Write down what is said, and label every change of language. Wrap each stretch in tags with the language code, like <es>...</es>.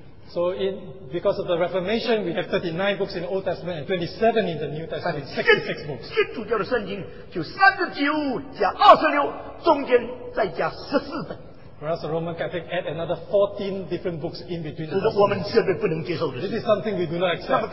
<en>So in because of the Reformation, we have 39 books in the Old Testament and 27 in the New Testament, 66 books.</en> <zh>新主教的圣经就39加26，中间再加14本。</zh> <en>Whereas the Roman Catholic add another 14 different books in between the books. This is something we do not accept.</en>